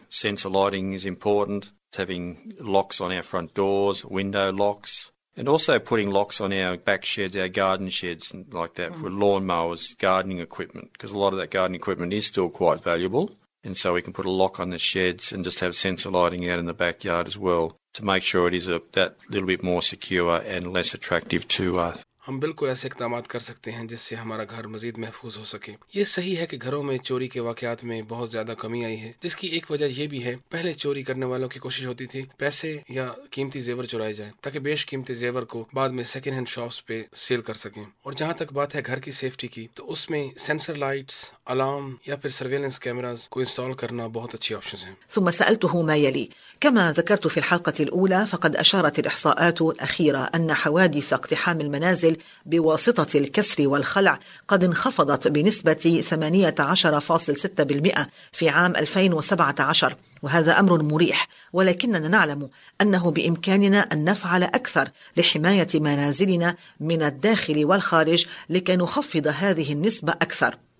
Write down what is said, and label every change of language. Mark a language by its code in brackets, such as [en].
[en] Sensor lighting is important. It's having locks on our front doors, window locks, and also putting locks on our back sheds, our garden sheds and like that for lawnmowers, gardening equipment, because a lot of that garden equipment is still quite valuable. And so we can put a lock on the sheds and just have sensor lighting out in the backyard as well to make sure it is that little bit more secure and less attractive to us. [ur] ہم بالکل ایسے اقدامات کر سکتے ہیں جس سے ہمارا گھر مزید محفوظ ہو سکے۔ یہ صحیح ہے کہ گھروں میں چوری کے واقعات میں بہت زیادہ کمی آئی ہے، جس کی ایک وجہ یہ بھی ہے پہلے چوری کرنے والوں کی کوشش ہوتی تھی پیسے یا قیمتی زیور چرائے جائیں تاکہ بیش قیمتی زیور کو بعد میں سیکنڈ ہینڈ شاپس پہ سیل کر سکیں۔ اور جہاں تک بات ہے گھر کی سیفٹی کی، تو اس میں سینسر لائٹس، الارم یا پھر سرویلنس کیمراز کو انسٹال کرنا بہت اچھی آپشن ہے۔ [ar] ثم سألته ما يلي: كما ذكرت في الحلقة الأولى فقد أشارت الإحصاءات الأخيرة أن حوادث اقتحام المنازل المنازل بواسطة الكسر والخلع قد انخفضت بنسبة 18.6% في عام 2017، وهذا أمر مريح، ولكننا نعلم أنه بإمكاننا أن نفعل أكثر لحماية منازلنا من الداخل والخارج لكي نخفض هذه النسبة أكثر.